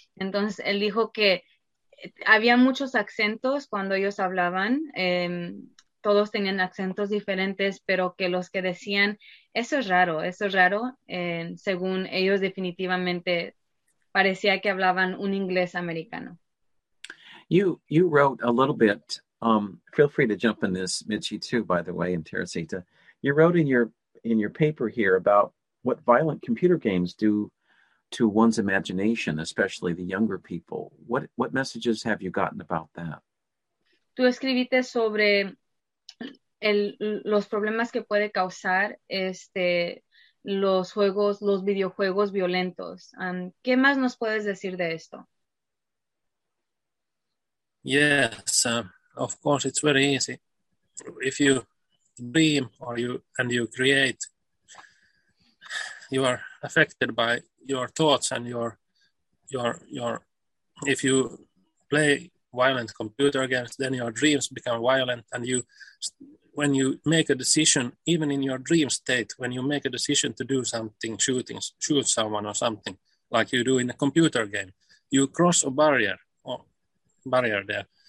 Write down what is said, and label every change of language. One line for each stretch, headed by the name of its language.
Spanish: Entonces, él dijo que había muchos acentos cuando ellos hablaban. Todos tenían acentos diferentes, pero que los que decían, eso es raro. Según ellos, definitivamente parecía que hablaban un inglés americano.
English: You wrote a little bit. Feel free to jump in this, Mitchie, too, by the way, and Teresita. You wrote in your paper here about what violent computer games do to one's imagination, especially the younger people. What messages have you gotten about that?
Spanish: Tú escribiste sobre los problemas que puede causar los videojuegos violentos. ¿Qué más nos puedes decir de esto?
English: Yes. Of course, it's very easy if you dream or you create, you are affected by your thoughts and your if you play violent computer games, then your dreams become violent, and you when you make a decision, even in your dream state, when you make a decision to do something, shoot someone or something like you do in a computer game, you cross a barrier there.